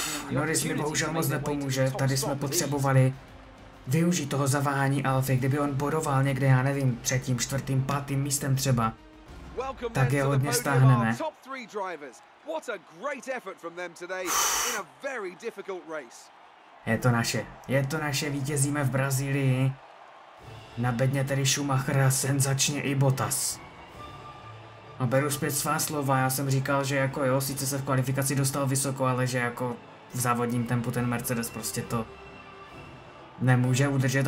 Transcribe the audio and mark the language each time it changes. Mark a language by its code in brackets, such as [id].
[cs] Norris mi bohužel moc nepomůže, tady jsme potřebovali využít toho zaváhání Alfy, kdyby on bodoval někde, já nevím, třetím, čtvrtým, pátým místem třeba, tak je hodně stáhneme. [en] What a great effort from them today in a very difficult race. [cs] Je to naše, vítězíme v Brazílii. Na bedně tedy Schumacher a senzačně i Bottas. A beru zpět svá slova, já jsem říkal, že jako jo, sice se v kvalifikaci dostal vysoko, ale že jako v závodním tempu ten Mercedes prostě to nemůže udržet.